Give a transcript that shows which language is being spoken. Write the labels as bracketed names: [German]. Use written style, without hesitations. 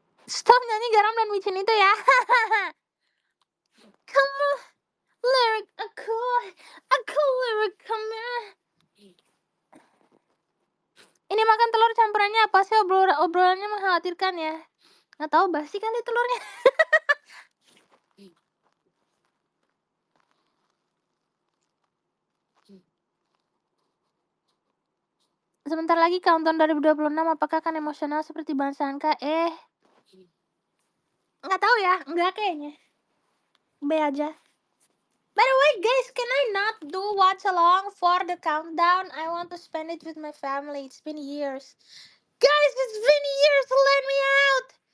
[Indonesian] Stop nyanyi garam dan micin itu ya. [English] Come on, lyric a cool lyric, come on. [Indonesian] Ini makan telur campurannya apa sih? Obrolannya mengkhawatirkan ya. Nggak tahu, basi kan di telurnya. Sebentar lagi countdown 2026, apakah akan emosional seperti Bang Sangka? Nggak tahu ya, nggak kayaknya. B aja. [English] By the way, guys, can I not do watch along for the countdown? I want to spend it with my family. It's been years. Guys, it's been years. Let me out.